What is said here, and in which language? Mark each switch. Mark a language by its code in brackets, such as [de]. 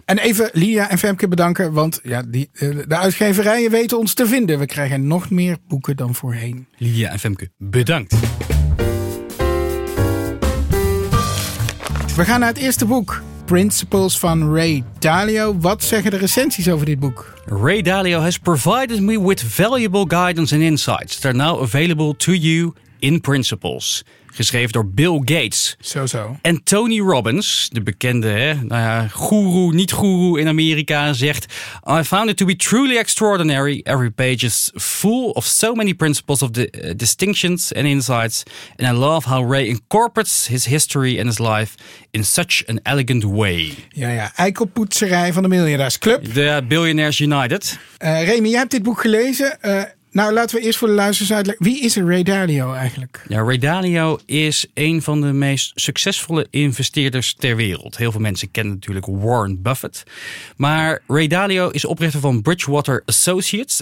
[nl] En even Lia en Femke bedanken, want ja, de uitgeverijen weten ons te vinden. We krijgen nog meer boeken dan voorheen. Lia en Femke, bedankt. We gaan naar het eerste boek. Principles van Ray Dalio. Wat zeggen de recensies over dit boek? [en] Ray Dalio has provided me with valuable guidance and insights that are now available to you in Principles. [nl] Geschreven door Bill Gates. Zo. En Tony Robbins, de bekende goeroe, niet-goeroe in Amerika, zegt: [en] I found it to be truly extraordinary. Every page is full of so many principles of distinctions and insights. And I love how Ray incorporates his history and his life in such an elegant way. [nl] Ja. Eikelpoetserij van de Miljardairs Club. De Billionaires United. Remy, jij hebt dit boek gelezen. Nou, laten we eerst voor de luisteraars uitleggen. Wie is Ray Dalio eigenlijk? Ja, Ray Dalio is een van de meest succesvolle investeerders ter wereld. Heel veel mensen kennen natuurlijk Warren Buffett. Maar Ray Dalio is oprichter van Bridgewater Associates.